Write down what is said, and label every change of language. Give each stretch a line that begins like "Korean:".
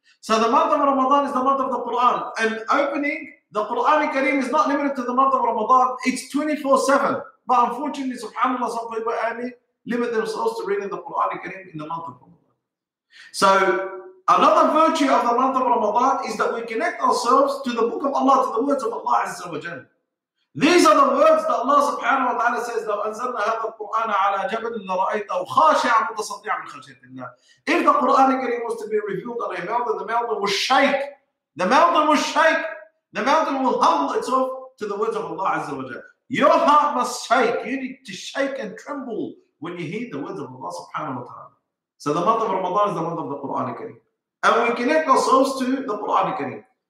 English: So the month of Ramadan is the month of the Quran. And opening the Quran al-Kareem is not limited to the month of Ramadan. It's 24-7. But unfortunately, subhanAllah, some people only limit themselves to reading the Quran al-Kareem in the month of Ramadan. So another virtue of the month of Ramadan is that we connect ourselves to the book of Allah, to the words of Allah Azza wa Jal. These are the words that Allah subhanahu wa ta'ala says,
Arabic: لَوْ أَنزَلْنَا هَذَا الْقُرْآنَ عَلَىٰ جَبَلٍ لَرَأَيْتَ أَوْ خَاشِعًا مُتَصَدِّعًا مِنْ خَشْيَةِ اللَّهِ.
English: If the Quran al-Kareem was to be revealed on a mountain, the mountain will shake. The mountain will shake. The mountain will humble itself to the words of Allah Azza wa Jal. Your heart must shake. You need to shake and tremble when you hear the words of Allah subhanahu wa ta'ala. So the month of Ramadan is the month of the Quran al-Kareem. And we connect ourselves to the Quran al-Kareem.